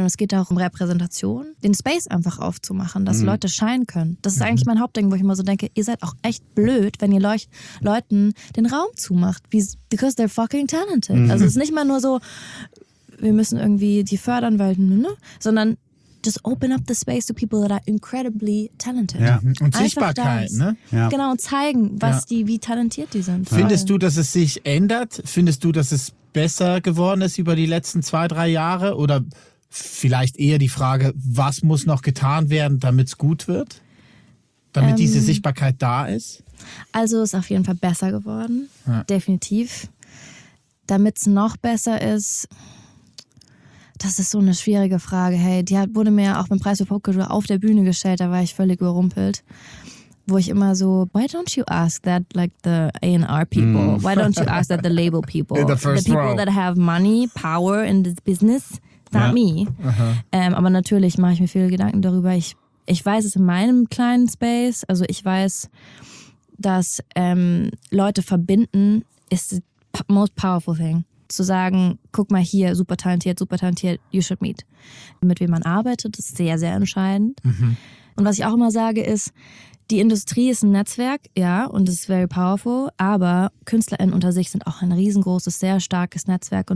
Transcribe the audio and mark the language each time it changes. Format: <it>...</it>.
<de>Und es geht auch um Repräsentation, den Space einfach aufzumachen, dass Leute scheinen können. Das ist eigentlich mein Hauptding, wo ich immer so denke, ihr seid auch echt blöd, wenn ihr Leuten den Raum zumacht.</de> <en>Because they're fucking talented.</en> <de>Also es ist nicht mal nur so, wir müssen irgendwie die fördern, weil, ne? Sondern</de> <en>just open up the space to people that are incredibly talented.</en> <de>Ja. Und Sichtbarkeit, ne? Ja. Genau, zeigen, was die, wie talentiert die sind. Findest du, dass es sich ändert? Findest du, dass es besser geworden ist über die letzten 2-3 Jahre? Oder vielleicht eher die Frage, was muss noch getan werden, damit es gut wird? Damit diese Sichtbarkeit da ist? Also ist auf jeden Fall besser geworden, definitiv. Damit es noch besser ist, das ist so eine schwierige Frage. Hey, die wurde mir auch beim Preis für Popkultur auf der Bühne gestellt, da war ich völlig überrumpelt. Wo ich immer so,</de> <en>why don't you ask that like the A&R people? Why don't you ask that the label people? In the first the people row. That have money, power in this business, not me.</en> <de>Aber natürlich mache ich mir viele Gedanken darüber. Ich weiß es in meinem kleinen Space, also ich weiß, dass Leute verbinden, ist</de> <en>the most powerful thing.</en> <de>Zu sagen, guck mal hier, super talentiert,</de> <en>you should meet.</en> <de>Mit wem man arbeitet, ist sehr, sehr entscheidend. Mhm. Und was ich auch immer sage ist, die Industrie ist ein Netzwerk, ja, und es ist</de> <en>very powerful,</en> <de>aber KünstlerInnen unter sich sind auch ein riesengroßes, sehr starkes Netzwerk.</de>